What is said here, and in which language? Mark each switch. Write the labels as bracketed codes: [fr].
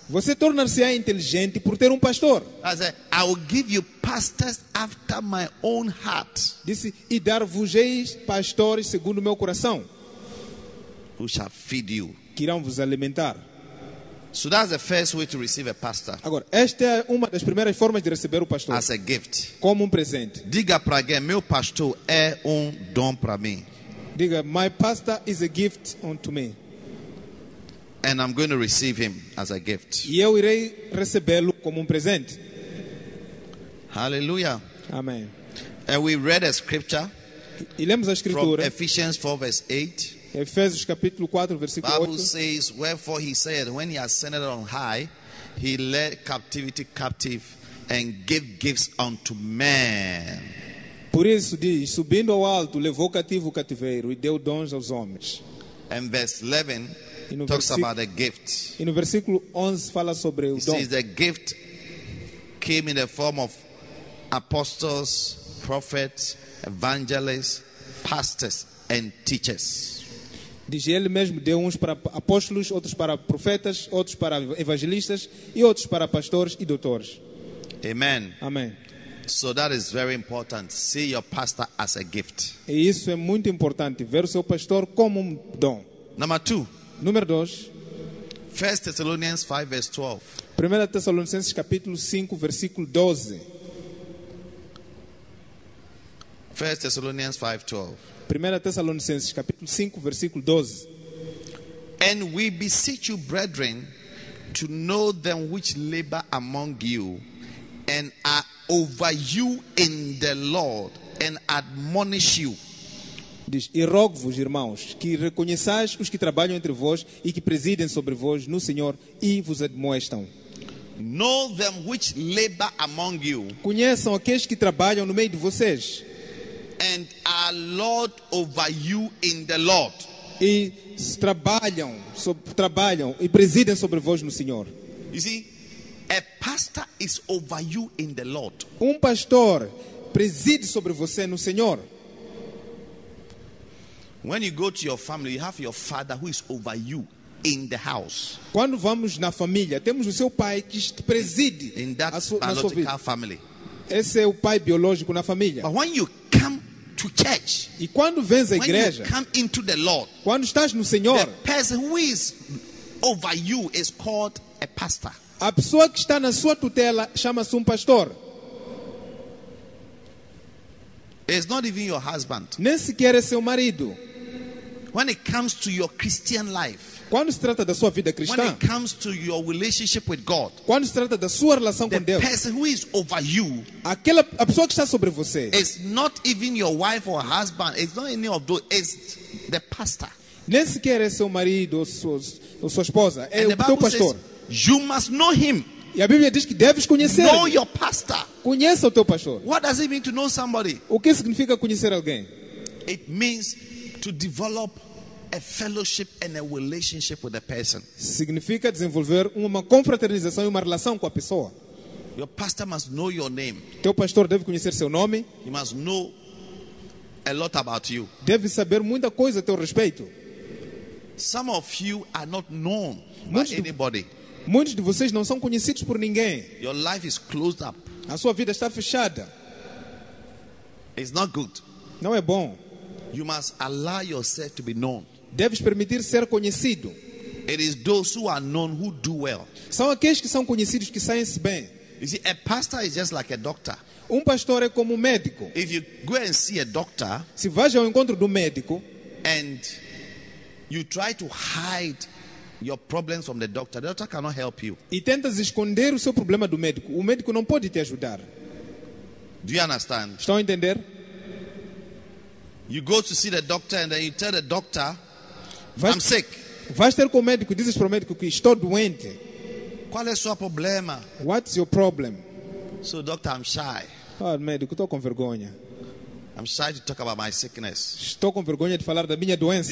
[pt] Você torna-se-á inteligente por ter um pastor. [en] As a, I will give you pastors after my own heart. [pt] Disse, e dar-vos-ei pastores segundo meu coração. [en] Who shall feed you? [pt] Que irão vos alimentar. [en] So that's the first way to receive a pastor. [pt] Agora, esta é uma das primeiras formas de receber o pastor. [en] As a gift. [pt] Como um presente. Diga para alguém, meu pastor é dom para mim. Diga, [en] my pastor is a gift unto me. And I'm going to receive him as a gift. [pt] E eu irei recebê-lo como um presente. [en] Hallelujah. Amen. And we read a scripture. [pt] E lemos a escritura. [en] From Ephesians 4 verse 8. [pt] Efésios capítulo 4 versículo 8. [en] Bible says, wherefore he said, when he ascended on high, he led captivity captive and gave gifts unto men. [pt] Por isso diz, subindo ao alto, levou cativo o cativeiro e deu dons aos homens. [en] And verse 11 talks about a gift. [pt] E no versículo 11 fala sobre o dom. [en] It says the gift came in the form of apostles, prophets, evangelists, pastors and teachers. [pt] Diz ele mesmo, deu uns para apóstolos, outros para profetas, outros para evangelistas e outros para pastores e doutores. [en] Amen. [pt] Amém. [en] So that is very important. See your pastor as a gift. [pt] E isso é muito importante, ver o seu pastor como um dom. [en] Number two. [pt] Número 2. [en] 1 Thessalonians 5 verse 12. [pt] 1 Tessalonicenses capítulo 5 versículo 12. [en] 1 Thessalonians 5 12. [pt] 1 Tessalonicenses capítulo 5 versículo 12. [en] And we beseech you brethren to know them which labor among you and are over you in the Lord and admonish you. [pt] Diz, e rogo-vos irmãos que reconheçais os que trabalham entre vós e que presidem sobre vós no Senhor e vos admoestam. [en] Know them which labor among you. [pt] Conheçam aqueles que trabalham no meio de vocês. [en] And are lord over you in the Lord. [pt] E trabalham, trabalham e presidem sobre vós no Senhor. [en] You see, a pastor is over you in the Lord. [pt] Um pastor preside sobre você no Senhor. [en] When you go to your family, you have your father who is over you in the house. [pt] Quando vamos na família, temos o seu pai que preside [en] in that biological family. [pt] Esse é o pai biológico na família. [en] But when you come to church, [pt] e quando vens à igreja, [en] you come into the Lord, [pt] quando estás no Senhor, [en] the person who is over you is called a pastor. [pt] A pessoa que está na sua tutela chama-se um pastor. [en] It's not even your husband. [pt] Nem sequer é seu marido. [en] When it comes to your Christian life, [pt] quando se trata da sua vida cristã, [en] when it comes to your relationship with God, [pt] quando se trata da sua relação [en] the [pt] com Deus, [en] person who is over you, [pt] aquela a pessoa que está sobre você, [en] it's not even your wife or husband, it's not any of those, it's the pastor. [pt] Nem sequer é seu marido ou sua esposa, é [en] and [pt] o teu pastor. [en] Says, you must know him. [pt] E a Bíblia diz que deves conhecer. [en] Know your pastor. [pt] Conheça o teu pastor. [en] What does it mean to know somebody? [pt] O que significa conhecer alguém? [en] It means to develop a fellowship and a relationship with a person. [pt] Significa desenvolver uma confraternização e uma relação com a pessoa. [en] Your pastor must know your name. [pt] Teu pastor deve conhecer seu nome. [en] He must know a lot about you. [pt] Deve saber muita coisa a teu respeito. [en] Some of you are not known by anybody. [pt] Muitos de vocês não são conhecidos por ninguém. [en] Your life is closed up. [pt] A sua vida está fechada. [en] It's not good. [pt] Não é bom. [en] You must allow yourself to be known. [pt] Deves permitir ser conhecido. [en] It is those who are known who do well. [pt] São aqueles que são conhecidos que saem-se bem. [en] You see, a pastor is just like a doctor. [pt] Pastor é como médico. [en] If you go and see a doctor, [pt] se vais ao encontro do médico, [en] and you try to hide your problems from the doctor cannot help you. [pt] E tentas esconder o seu problema do médico. O médico não pode te ajudar. [en] Do you understand? [pt] Estão a entender? [en] You go to see the doctor and then you tell the doctor, I'm sick. [pt] Vais ter com o médico e dizes para o médico que estou doente. Qual é o seu problema? [en] What's your problem? So, doctor, I'm shy. [pt] Oh, médico, estou com vergonha. [en] I'm shy to talk about my sickness. [pt] Estou com vergonha de falar da minha doença.